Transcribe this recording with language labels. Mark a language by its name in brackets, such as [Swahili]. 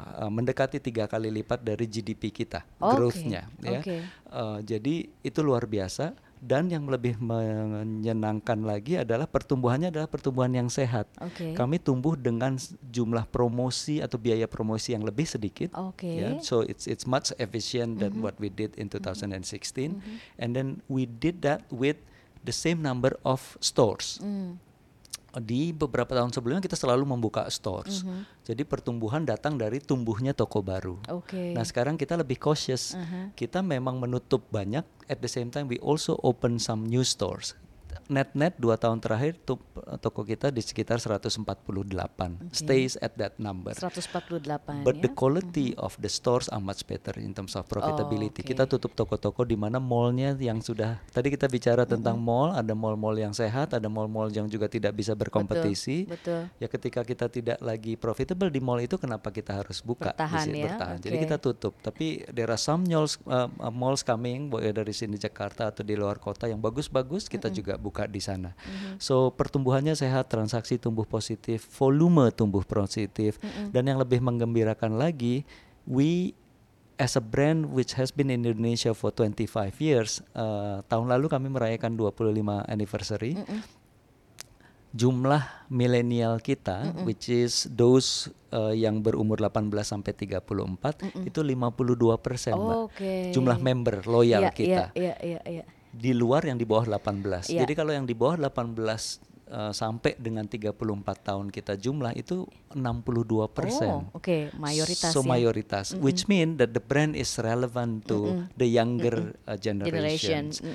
[Indonesian] Mendekati 3 kali lipat dari GDP kita, growth-nya. Jadi itu luar biasa, dan yang lebih menyenangkan lagi adalah pertumbuhannya adalah pertumbuhan yang sehat. Kami tumbuh dengan jumlah promosi atau biaya promosi yang lebih sedikit. [English] So it's much efficient than what we did in 2016. And then we did that with the same number of stores. [Indonesian] Di beberapa tahun sebelumnya kita selalu membuka stores. Jadi pertumbuhan datang dari tumbuhnya toko baru. Nah, sekarang kita lebih cautious. Kita memang menutup banyak, [English] at the same time we also open some new stores. [Indonesian] Net-net 2 tahun terakhir toko kita di sekitar 148. [English] Stays at that number. 148. But the quality of the stores are much better in terms of profitability. [Indonesian] Kita tutup toko-toko di mana mallnya yang sudah, tadi kita bicara tentang mall, ada mall-mall yang sehat, ada mall-mall yang juga tidak bisa berkompetisi. Ya, ketika kita tidak lagi profitable di mall itu, kenapa kita harus buka? Bertahan. Jadi kita tutup. Tapi [English] there are some malls coming [Indonesian] dari sini Jakarta atau di luar kota yang bagus-bagus, kita juga buka di sana. So pertumbuhannya sehat, transaksi tumbuh positif, volume tumbuh positif, dan yang lebih menggembirakan lagi, [English] we as a brand which has been in Indonesia for 25 years, [Indonesian] tahun lalu kami merayakan 25 anniversary. Jumlah milenial kita, [English] which is those [Indonesian] yang berumur 18-34, itu 52%. Jumlah member loyal kita. Di luar yang di bawah 18. Jadi kalau yang di bawah 18 sampai dengan 34 tahun kita jumlah itu 62%. Mayoritas. [English] Mayoritas, which mean that the brand is relevant to the younger generation.